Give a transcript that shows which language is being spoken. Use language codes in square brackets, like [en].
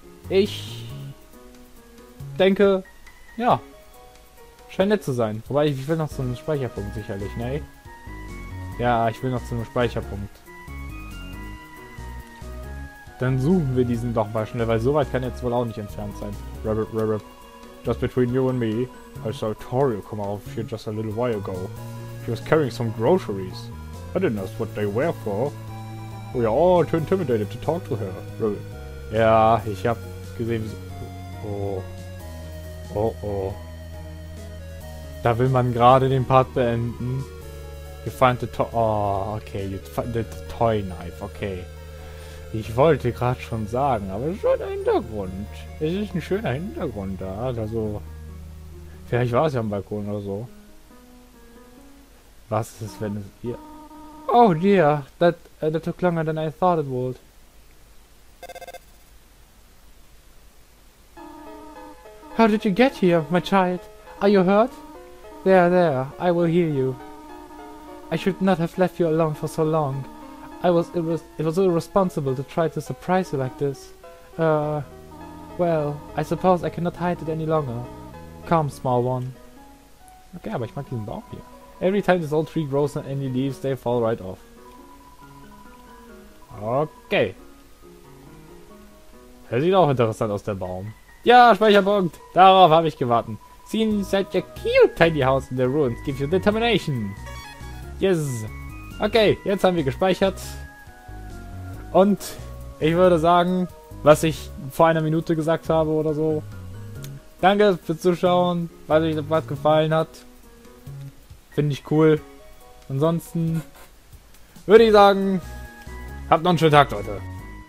[de] Ich denke, ja, scheint nett zu sein. Wobei, ich will noch zu einem Speicherpunkt sicherlich, ne? Ja, ich will noch zu einem Speicherpunkt. Dann suchen wir diesen doch mal schnell, weil so weit kann jetzt wohl auch nicht entfernt sein. [en] Rabbit, rabbit. Just between you and me, I saw Toriel come out here just a little while ago. She was carrying some groceries. I didn't ask what they were for. We are all too intimidated to talk to her. Rabbit. [de] Ja, ich hab gesehen, Oh. Da will man gerade den Part beenden. [en] You find the toy... Oh, okay, you find the toy knife, okay. [de] Ich wollte gerade schon sagen, aber es ist schon ein Hintergrund. Es ist ein schöner Hintergrund da, also... Vielleicht war es ja am Balkon oder so. Was ist es, wenn es hier... [en] Oh dear, that took longer than I thought it would. How did you get here, my child? Are you hurt? There, I will heal you. I should not have left you alone for so long. It was irresponsible to try to surprise you like this. Well, I suppose I cannot hide it any longer. Come, small one. [de] Okay, aber ich mag diesen Baum hier. [en] Every time this old tree grows on any leaves, they fall right off. Okay. [de] Das sieht auch interessant aus, der Baum. Ja, Speicherpunkt! Darauf habe ich gewartet. [en] Seeing such a cute tiny house in the ruins gives you determination. Yes. [de] Okay, jetzt haben wir gespeichert. Und ich würde sagen, was ich vor einer Minute gesagt habe oder so. Danke fürs Zuschauen. Falls euch was gefallen hat. Finde ich cool. Ansonsten würde ich sagen, habt noch einen schönen Tag, Leute.